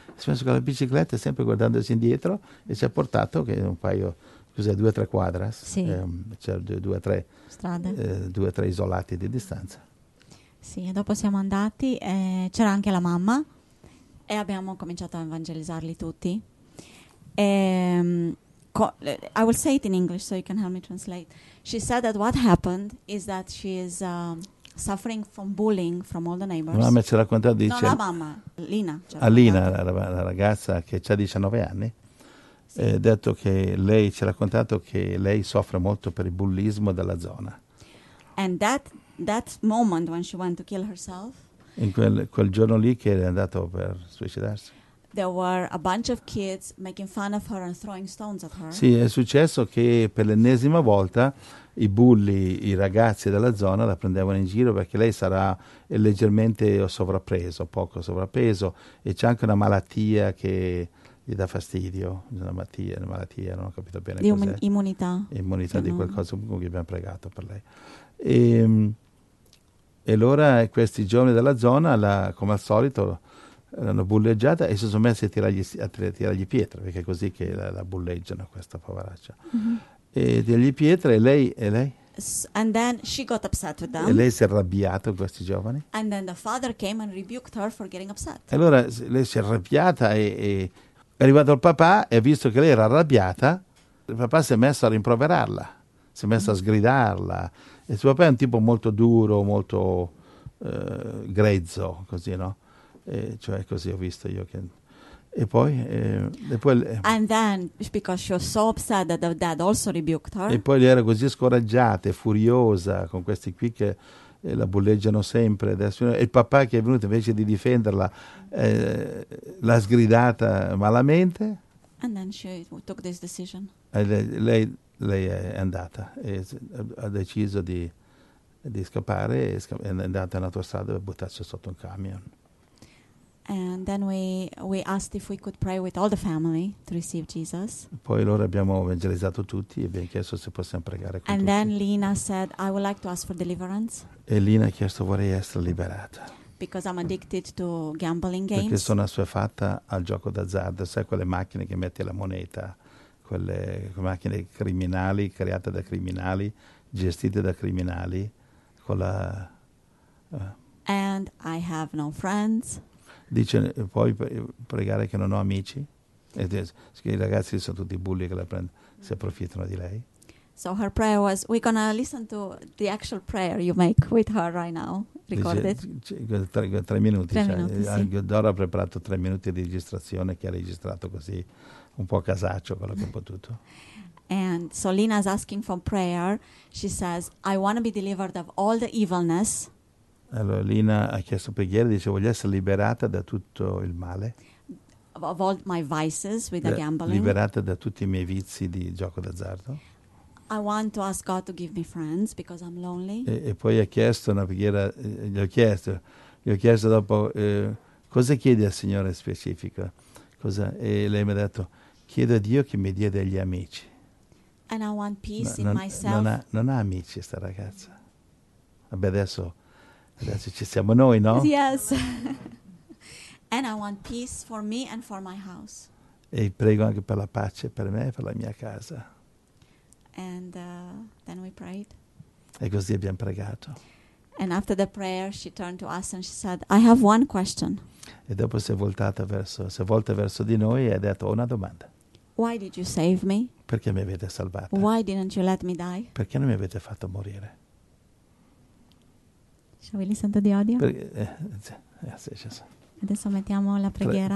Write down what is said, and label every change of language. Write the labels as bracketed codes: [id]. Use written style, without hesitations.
[it] Si è messo con la bicicletta, sempre guardandosi indietro, e ci ha portato che un paio... Scusa, 2 o 3 quadras, sì. c'erano due o tre strade, 2 o 3 isolati di distanza. Sì, e dopo siamo andati, c'era anche la mamma e abbiamo cominciato a evangelizzarli tutti. [en] I will say it in English so you can help me translate. She said that what happened is that she is suffering from bullying from all the neighbors. [it] La mamma ci ha raccontato, dice... No, la mamma, Lina. Alina, la ragazza che ha 19 anni. Ha detto che lei ci ha raccontato che lei soffre molto per il bullismo della zona. [en] And that moment when she went to kill herself. [it] In quel giorno lì che è andato per suicidarsi. [en] There were a bunch of kids making fun of her and throwing stones at her. [it] Sì, è successo che per l'ennesima volta i bulli, i ragazzi della zona la prendevano in giro perché lei sarà leggermente sovrappeso, poco sovrappeso, e c'è anche una malattia che gli dà fastidio, una malattia, non ho capito bene di cos'è. Immunità di qualcosa con cui abbiamo pregato per lei. E allora questi giovani della zona, come al solito, l'hanno bulleggiata e si sono messi a tirargli pietre, perché è così che la bulleggiano, questa poveraccia. Mm-hmm. E tirargli pietre e lei? [en] And then she got upset with them. [it] E lei si è arrabbiata con questi giovani? [en] And then the father came and rebuked her for getting upset. [it] E allora lei si è arrabbiata e è arrivato il papà e ha visto che lei era arrabbiata, il papà si è messo a rimproverarla, si è messo a sgridarla. E suo papà è un tipo molto duro, molto grezzo, così, no? E cioè così ho visto io. E poi, [en] and then, because she was so upset that the dad also rebuked her. [it] E poi lei era così scoraggiata e furiosa con questi qui che la bulleggiano sempre. E il papà che è venuto invece di difenderla l'ha sgridata malamente. [en] And then she took this decision. [it] E lei è andata e ha deciso di scappare e è andata nella tua strada per buttarsi sotto un camion. [en] And then we asked if we could pray with all the family to receive Jesus. [it] Poi loro abbiamo evangelizzato tutti e abbiamo chiesto se possiamo pregare con [en] and [it] tutti. [en] And then Lina said, I would like to ask for deliverance. [it] E Lina ha chiesto, vorrei essere liberata. [en] Because I'm addicted to gambling games. [it] Perché sono assuefatta al gioco d'azzardo. Sai quelle macchine che metti la moneta? Quelle macchine criminali, create da criminali, gestite da criminali. Con la. [en] And I have no friends. [it] Dice, puoi pregare che non ho amici? E dice, i ragazzi sono tutti bulli che la prendono, si approfittano di lei. [en] So her prayer was, we're gonna listen to the actual prayer you make with her right now, recorded. [it] Dice, tre minuti. Dora ha preparato 3 minuti di registrazione che ha registrato così, un po' casaccio quello che ha potuto. [en] And so Lina's asking for prayer. She says, I want to be delivered of all the evilness. [it] Allora Lina ha chiesto preghiera, dice voglio essere liberata da tutto il male. [en] Of all my vices with the gambling. [it] Liberata da tutti i miei vizi di gioco d'azzardo. [en] I want to ask God to give me friends because I'm lonely. [it] E poi ha chiesto una preghiera, gli ho chiesto dopo cosa chiedi al Signore specifico? Cosa? E lei mi ha detto chiedo a Dio che mi dia degli amici. [en] And I want peace in myself. [it] Non ha amici sta ragazza. Vabbè adesso. Adesso ci siamo noi, no? [en] Yes. And I want peace for me and for my house. [it] E prego anche per la pace per me e per la mia casa. [en] And then we prayed. [it] E così abbiamo pregato. [en] And after the prayer she turned to us and she said, I have one question. [it] E dopo si è volta verso di noi e ha detto, ho una domanda. [en] Why did you save me? [it] Perché mi avete salvata? [en] Why didn't you let me die? [it] Perché non mi avete fatto morire? [en] Shall we listen to the audio? [it] Adesso mettiamo la preghiera.